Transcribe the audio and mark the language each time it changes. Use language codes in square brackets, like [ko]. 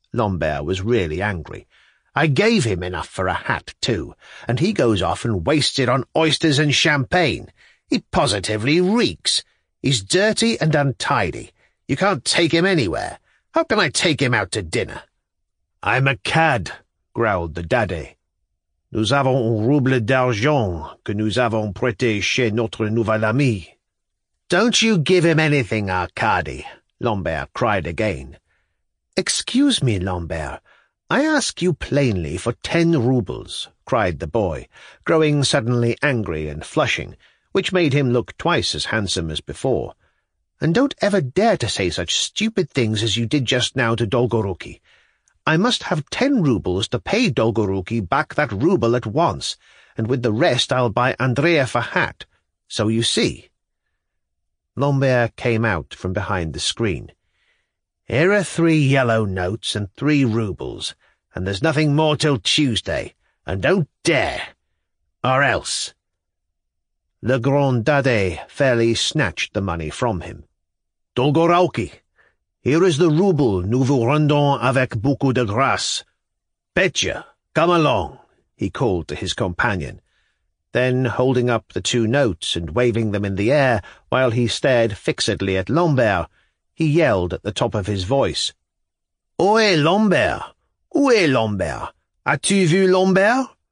[en] Lambert was really angry. I gave him enough for a hat, too, and he goes off and wastes it on oysters and champagne. He positively reeks. He's dirty and untidy. You can't take him anywhere. How can I take him out to dinner? I'm a cad, growled the daddy. [fr] Nous avons 1 rouble d'argent que nous avons prêté chez notre nouvel ami. [en] Don't you give him anything, Arcady, Lambert cried again. Excuse me, Lambert, I ask you plainly for 10 roubles, cried the boy, growing suddenly angry and flushing, which made him look twice as handsome as before. And don't ever dare to say such stupid things as you did just now to Dolgoruki. I must have 10 roubles to pay Dolgoruki back that rouble at once, and with the rest I'll buy Andreev a hat. So you see. Lambert came out from behind the screen. Here are 3 yellow notes and 3 roubles, and there's nothing more till Tuesday, and don't dare, or else. Le Grand Dade fairly snatched the money from him. Dolgoruki! Here is the rouble [fr] nous vous rendons avec beaucoup de grâce. [en] Petya, come along, he called to his companion. Then, holding up the 2 notes and waving them in the air while he stared fixedly at Lambert, he yelled at the top of his voice. [fr] Oé, Lambert! Oé, Lambert! As-tu vu Lambert?